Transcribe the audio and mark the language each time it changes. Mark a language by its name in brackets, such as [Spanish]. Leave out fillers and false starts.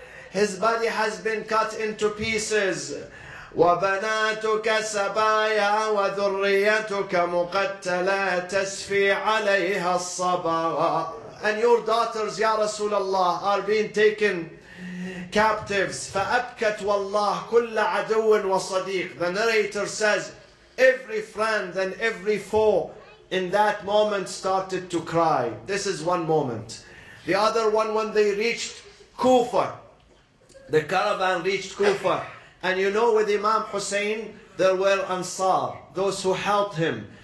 [English] His body has been cut into pieces. [Arabic] وَبَنَاتُكَ سَبَايَا وَذُرِّيَّتُكَ مُقَتَّلَا تَسْفِي عَلَيْهَا الصَّبَرَ. [English] And your daughters, Ya Rasulallah, are being taken captives. [Arabic] فأبكت والله كل عدو وصديق. [English] The narrator says, every friend and every foe in that moment started to cry. This is one moment. The other one, when they reached Kufa, the caravan reached Kufa. And you know, with Imam Hussein, there were Ansar, those who helped him.